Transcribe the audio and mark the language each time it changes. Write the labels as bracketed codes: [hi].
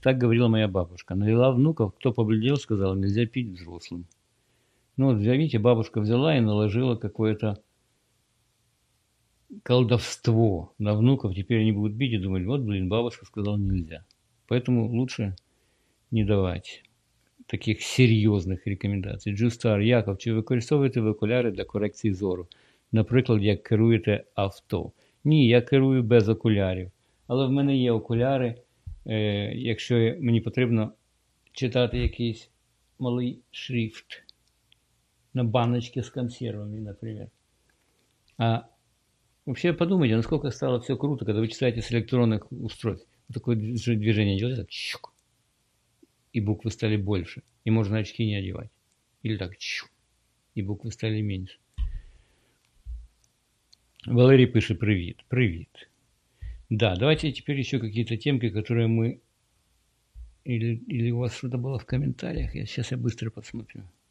[ru] Так говорила моя бабушка. Налила внуков, кто побледнел, сказала, нельзя пить взрослым. Ну, вот, видите, бабушка взяла и наложила какое-то колдовство на внуков. Теперь они будут пить и думать, вот, блин, бабушка сказала, нельзя. Поэтому лучше не давать таких серьезных рекомендаций. [uk] Джустар, Яков, чи використовуєте окуляри для корекції зору? Наприклад, як керуєте авто? Ні, я керую без окулярів. Але в мене є окуляри, якщо мені потрібно читати якийсь малий шрифт на баночці з консервами, наприклад. А взагалі подумайте, наскільки стало все круто, коли ви читаєте з електронних устройств. Таке движення робиться, чук. [ru] И буквы стали больше. И можно очки не одевать. Или так, чу, и буквы стали меньше. Валерий пишет, привет, привет. Да, давайте теперь еще какие-то темки, которые мы... Или у вас что-то было в комментариях? Сейчас я быстро посмотрю.